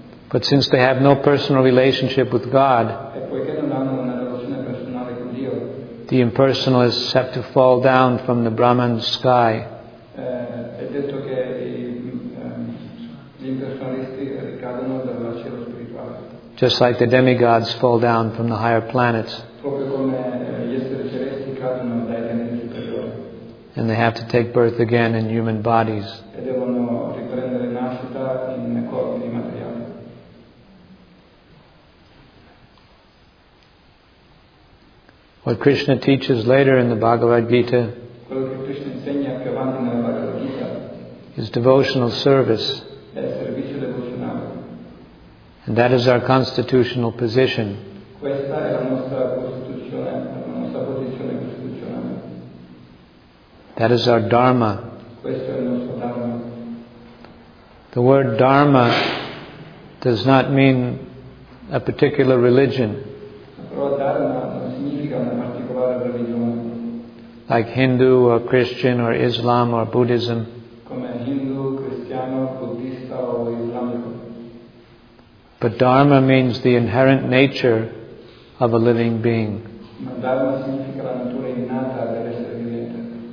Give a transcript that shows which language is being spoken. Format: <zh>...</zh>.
<en>But since they have no personal relationship with God,</en> <it>e poiché non hanno una relazione personale con Dio,</it> <en>the impersonalists have to fall down from the Brahman sky.</en> <it>È detto che gli impersonalisti ricadono dal cielo spirituale.</it> <en>Just like the demigods fall down from the higher planets.</en> <it>Proprio come gli esseri celesti cadono dai pianeti superiori.</it> <en>And they have to take birth again in human bodies.</en> <it>E devono riprendere nascita in corpi di materiale.</it> <en>What Krishna teaches later in the Bhagavad Gita,</en> <it>quello che Krishna insegna più avanti nella Bhagavad Gita,</it> <en>is devotional service.</en> <it>È servizio devozionale.</it> <en>And that is our constitutional position.</en> <it>Questa è la nostra posizione costituzionale.</it> <en>That is our dharma.</en> <it>Questo è il nostro dharma.</it> <en>The word dharma does not mean a particular religion.</en> <it>Però dharma non significa una particolare religione.</it> <en>Like Hindu or Christian or Islam or Buddhism.</en> <it>Come Hindu, cristiano, buddista o islamico.</it> <en>But dharma means the inherent nature of a living being.</en> <it>Ma dharma significa la natura innata dell'essere vivente.</it>